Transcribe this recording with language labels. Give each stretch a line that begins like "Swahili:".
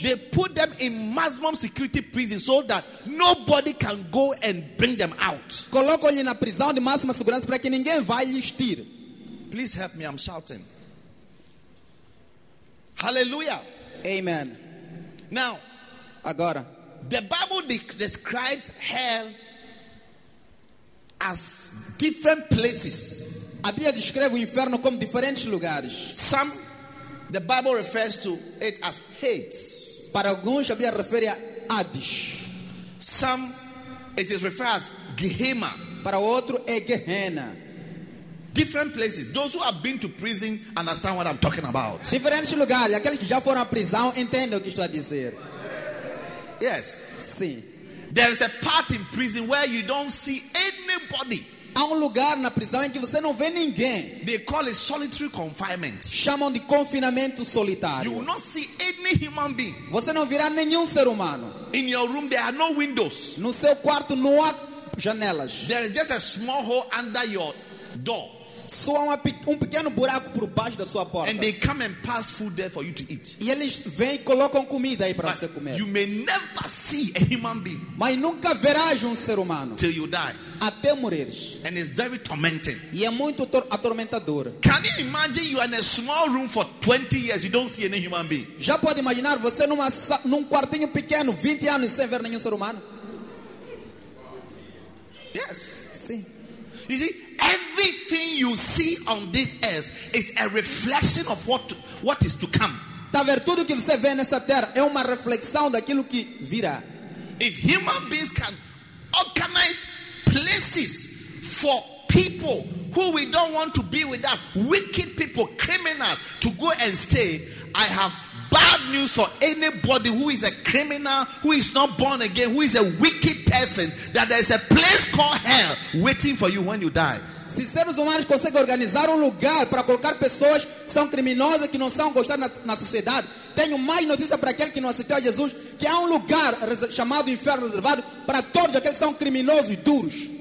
English: They put them in maximum security prison so that nobody can go and bring them out.
Portuguese: Colocam-lhe na prisão de máxima segurança para que ninguém vá lhe tirar.
English: Please help me, I'm shouting. Hallelujah. Amen. Now,
Portuguese: agora,
English: the Bible describes hell as different places.
Portuguese: A Bíblia descreve o inferno como diferentes lugares.
English: Some, the Bible refers to it as Hades.
Portuguese: Para alguns, a Bíblia refere a Hades.
English: Some, it is referred as Gehenna.
Portuguese: Para outro, é Gehenna.
English: Different places. Those who have been to prison understand what I'm talking about.
Portuguese: Diferentes lugares. Aqueles que já foram à prisão entendem o que estou a dizer.
English: Yes.
Portuguese: Sim.
English: There is a part in prison where you don't see anybody.
Portuguese: Há lugar na prisão em que você não vê ninguém.
English: They call it solitary confinement.
Portuguese: Chamam de confinamento solitário.
English: You will not see any human being.
Portuguese: Você não virá nenhum ser humano.
English: In your room there are no windows.
Portuguese: No seu quarto não há janelas.
English: There is just a small hole under your door.
Portuguese: Só há um pequeno buraco por baixo da sua porta.
English: And they come and pass food there for you to eat.
Portuguese: E eles vêm e colocam comida aí para você comer.
English: You may never see a human being.
Portuguese: Mas nunca verás ser humano.
English: Till you die.
Portuguese: Até morreres.
English: And it's very tormenting.
Portuguese: E é muito atormentador.
English: Can you imagine you are in a small room for 20 years, you don't see any human being?
Portuguese: Já pode imaginar você num quartinho pequeno 20 anos sem ver nenhum ser humano?
English: Yes.
Portuguese: Sim.
English: You see, everything you see on this earth is a reflection of what is to come.
Portuguese: Tá vendo, tudo que você vê nessa terra é uma reflexão daquilo que virá.
English: If human beings can organize places for people who we don't want to be with us, wicked people, criminals, to go and stay, I have bad news for anybody who is a criminal, who is not born again, who is a wicked person, that there is a place called hell waiting for you when you die.
Portuguese: Se seres humanos conseguem organizar lugar para colocar pessoas que são criminosas, que não são gostadas na sociedade, tenho mais notícia para aquele que não aceitou Jesus, que há lugar chamado inferno reservado para todos aqueles que são criminosos e duros.